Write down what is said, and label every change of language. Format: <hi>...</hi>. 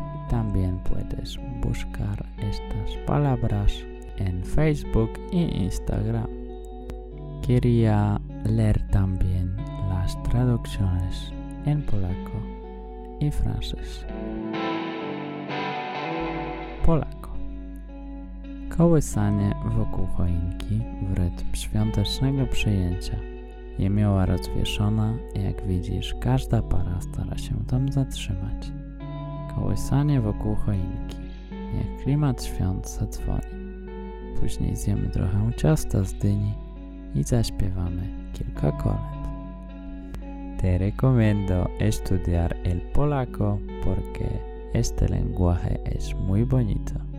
<es>También puedes buscar estas palabras en Facebook e Instagram. Quería leer también las traducciones en polaco y francés. Polaco.</es> <pl>Kołysanie wokół choinki w rytm świątecznego przyjęcia. Niemiła rozwieszona, jak widzisz, każda para stara się tam zatrzymać. Kołysanie wokół choinki. Niech klimat świąt zadzwoni. Później zjemy trochę ciasta z dyni i zaśpiewamy kilka kolęd.</pl> <es>Te recomiendo estudiar el polaco porque este lenguaje es muy bonito.</es>